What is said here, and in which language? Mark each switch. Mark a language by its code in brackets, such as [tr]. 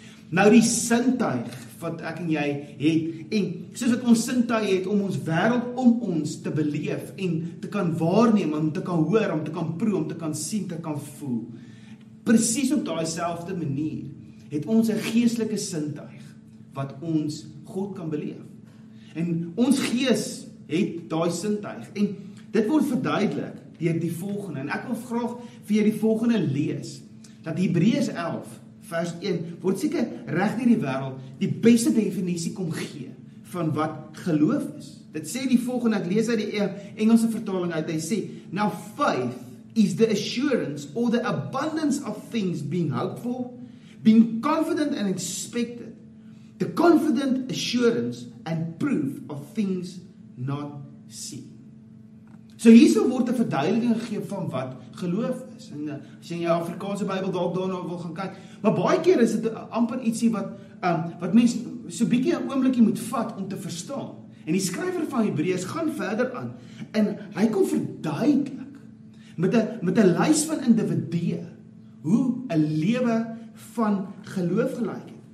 [af] Nou die sintuig wat ek en jy het en soos wat ons sintuig het om ons wêreld om ons te beleef en te kan waarneem, om te kan hoor, om te kan proe, om te kan sien, te kan voel. Presies op daai selfde manier het ons 'n geestelike sintuig wat ons God kan beleef. En ons gees het daai sintuig. En dit word verduidelik deur die volgende. En ek wil graag vir jy die volgende lees. Dat Hebreërs 11 vers 1 word seker reg deur die wêreld die beste definisie kom gee van wat geloof is. Dit sê die volgende, ek lees uit die Engelse vertaling uit. Hy sê, [en] now faith is the assurance or the abundance of things being hoped for, being confident and expected. The confident assurance and proof of things not seen. [af] So hierso word 'n verduideliking gegee van wat geloof is. En as jy in jou Afrikaanse Bybel dalk daarna wil gaan kyk, maar baie keer is dit amper ietsie wat wat mens so bietjie 'n oomblikie moet vat om te verstaan. En die skrywer van Hebreërs gaan verder aan en hy kom verduidelik met 'n lys van individue hoe 'n lewe van geloof gelyk.